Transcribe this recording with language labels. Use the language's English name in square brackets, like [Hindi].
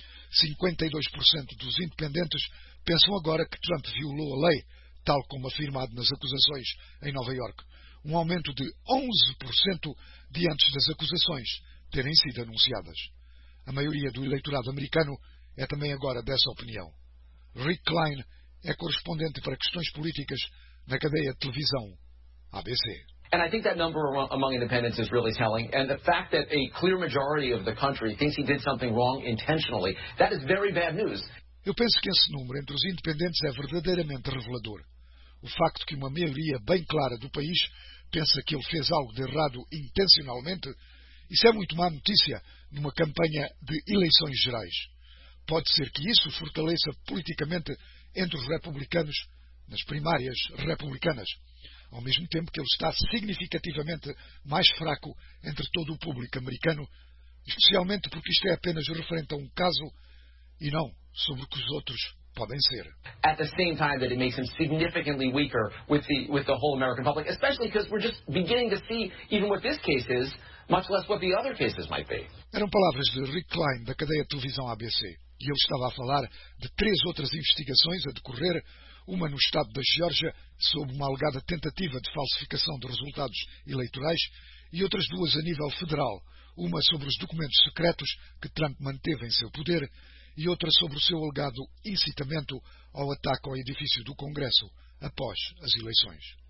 [Portuguese] 52% dos independentes pensam agora que Trump violou a lei, tal como afirmado nas acusações em Nova York, um aumento de 11% diante das acusações terem sido anunciadas. A maioria do eleitorado americano é também agora dessa opinião. Rick Klein é correspondente para questões políticas na cadeia de televisão ABC. [English] And I think that number among independents is really telling. And the fact that a clear majority of the country thinks he did something wrong intentionally, that is very bad news. [Portuguese] Eu penso que esse número entre os independentes é verdadeiramente revelador. O facto que uma maioria bem clara do país pensa que ele fez algo de errado intencionalmente, isso é muito má notícia numa campanha de eleições gerais. Pode ser que isso fortaleça politicamente entre os republicanos nas primárias republicanas, ao mesmo tempo que ele está significativamente mais fraco entre todo o público americano, especialmente porque isto é apenas referente a um caso e não sobre o que os outros podem ser. [English] At the same time that it makes him significantly weaker with the whole American public, especially because we're just beginning to see even what this case is, much less what the other cases might be. [Portuguese] Eram palavras de Rick Klein, da cadeia de televisão ABC, e ele estava a falar de 3 outras investigações a decorrer, uma no estado da Geórgia, sob uma alegada tentativa de falsificação de resultados eleitorais, e outras 2 a nível federal, uma sobre os documentos secretos que Trump manteve em seu poder, e outra sobre o seu alegado incitamento ao ataque ao edifício do Congresso após as eleições.